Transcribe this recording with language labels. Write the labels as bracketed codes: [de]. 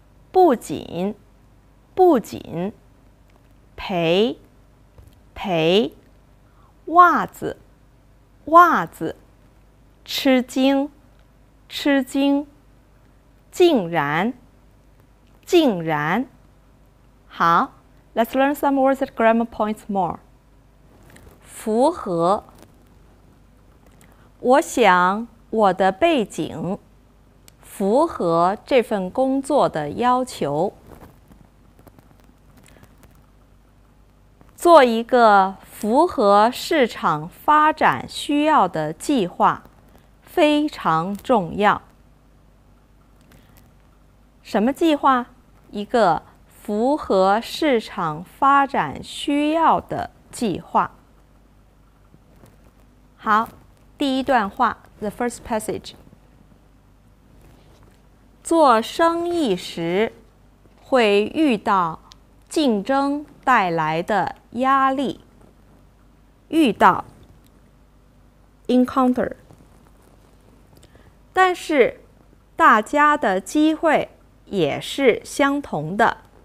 [zh] 不仅，不仅，赔，赔，袜子，袜子，吃惊，吃惊，竟然，竟然。 [en] 好， let's learn some words and grammar points more. [zh] 符合。我想我的背景符合这份工作的要求。做一个符合市场发展需要的计划非常重要。什么计划？一个符合市场发展需要的计划。好，第一段话， [en] the first passage。 [zh] 做生意时会遇到竞争带来的压力。遇到 encounter。但是大家的机会也是相同的。